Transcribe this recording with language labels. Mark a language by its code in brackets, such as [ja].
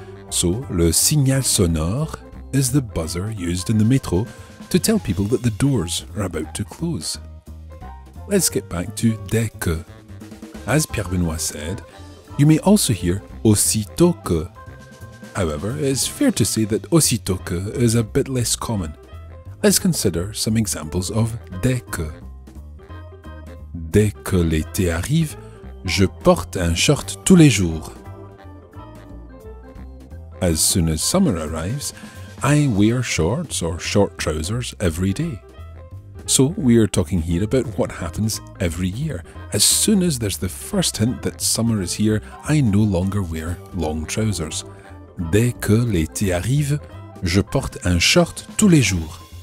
[en] So le signal sonore is the buzzer used in the metro to tell people that the doors are about to close. Let's get back to dès que. As Pierre-Benoît said, you may also hear aussitôt que. However, it's fair to say that aussitôt que is a bit less common. Let's consider some examples of dès que. [fr] Dès que l'été arrive, je porte un short tous les jours. [en] As soon as summer arrives, I wear shorts or short trousers every day. So we are talking here about what happens every year. As soon as there's the first hint that summer is here, I no longer wear long trousers. [fr] Dès que l'été arrive, je porte un short tous les jours.